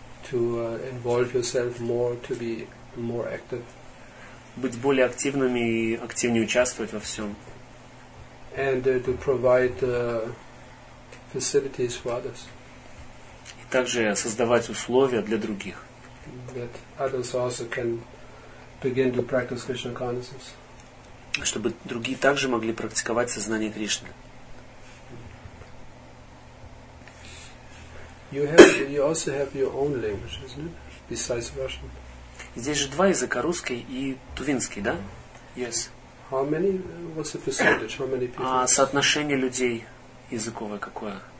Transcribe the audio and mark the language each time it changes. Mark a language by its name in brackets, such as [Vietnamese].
[English] To involve yourself more, to be more active. [Russian] Быть более активными и активнее участвовать во всем. [English] And to provide facilities for others. [Russian] И также создавать условия для других. [English] That others also can begin to practice Krishna consciousness. [Russian] Чтобы другие также могли практиковать сознание Кришны. [English] You also have your own language, isn't it? Besides Russian. [Russian] Здесь же два языка, русский и тувинский, да? [English] Yes. How many? What's the percentage? How many people? [Russian] А соотношение людей языковое какое?